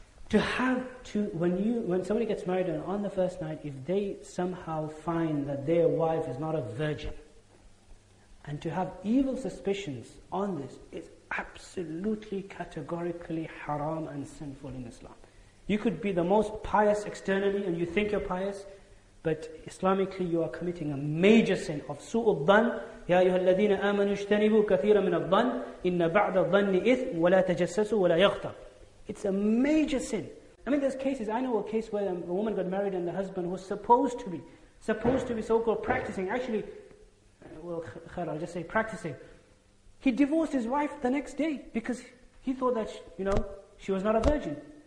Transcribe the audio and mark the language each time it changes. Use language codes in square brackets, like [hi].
[en] When somebody gets married and on the first night, if they somehow find that their wife is not a virgin, and to have evil suspicions on this is absolutely categorically haram and sinful in Islam. You could be the most pious externally and you think you're pious, but Islamically you are committing a major sin of su'ud dhan. [ar] يا أيها الذين آمنوا اجتنبوا كثيرا من الظن إن بعض الظن إثم ولا تجسسوا ولا يغتر. [en] It's a major sin. I mean, there's cases. I know a case where a woman got married and the husband was supposed to be supposed to be so-called practicing, actually, well, I'll just say practicing. He divorced his wife the next day because he thought that, you know, she was not a virgin.